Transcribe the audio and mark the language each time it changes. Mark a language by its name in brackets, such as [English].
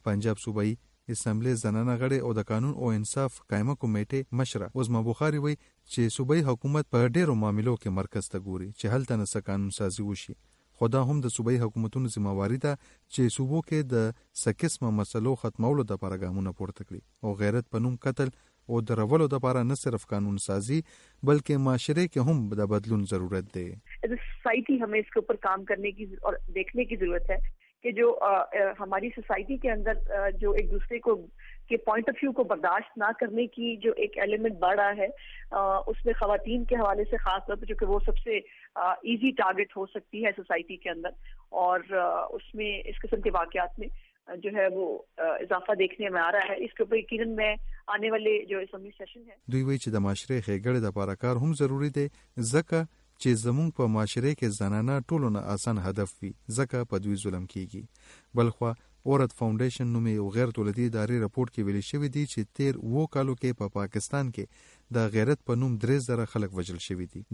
[Pashto] پنجاب صوبایي اسمبلی زنانه غړې او د قانون او انصاف قائمه کمیټې مشره عظما بخاری وي چې صوبایي حکومت په ډېرو معاملو کې مرکز ته ګوري چې هلته نه څه قانون سازي وشي. خدا هم د صوبایي حکومتونو ذمہواری ده چې صوبو کې د څه قسمه مسلو ختمولو د پاره ګامونه پورته کړي او غیرت په نوم قتل او درولو د پاره نه صرف قانون سازي بلکې معاشره کې هم د بدلون ضرورت ده. [Urdu] د سوسایټي هم اس کو پر کام کرنے کی اور دیکھنے کی ضرورت ہے کہ جو ہماری سوسائٹی کے اندر جو ایک دوسرے کو کے پوائنٹ آف ویو کو برداشت نہ کرنے کی جو ایک ایلیمنٹ بڑھ رہا ہے اس میں خواتین کے حوالے سے خاص طور پہ, جو کہ وہ سب سے ایزی ٹارگٹ ہو سکتی ہے سوسائٹی کے اندر, اور اس میں اس قسم کے واقعات میں جو ہے وہ اضافہ دیکھنے میں آ رہا ہے. اس کے اوپر یقیناً میں آنے والے جو اسمبلی سیشن ہے [Pashto] دوی وی چی دا معاشرے خے گڑے دا پارا کار ہم ضروری دے زکا چې زمونږ په معاشره کې زنانه ټولو نه آسان هدف وي ځکه په دوی ظلم کیږي. بلخوا عورت فاونډیشن نومې یو غیر دولتي ادارې رپورټ کې ویلي شوی دی چې تیر وو کالو کې په پاکستان کې د غیرت په نوم 3000 خلک وژل شوی دي.